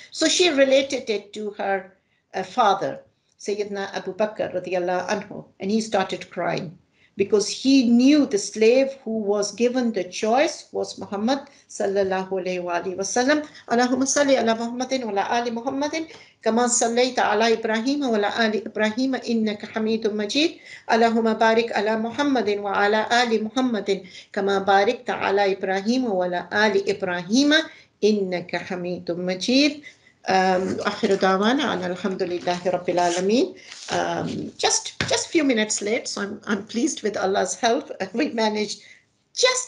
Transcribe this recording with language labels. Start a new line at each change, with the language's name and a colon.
English: So she related it to her father, Sayyidina Abu Bakr radiallahu anhu, and he started crying. Because he knew the slave who was given the choice was Muhammad sallallahu alayhi wa sallam.
Arabic: Allahumma salli ala Muhammadin wa ala ali Muhammadin كما صليت على إبراهيم وعلى آل إبراهيم إنك حميد مجيد اللهم بارك على محمد وعلى آل محمد كما باركت على إبراهيم وعلى آل إبراهيم إنك حميد مجيد. آخر دعوانا أن الحمد لله رب العالمين.
English: Just few minutes late, so I'm pleased with Allah's help. We managed just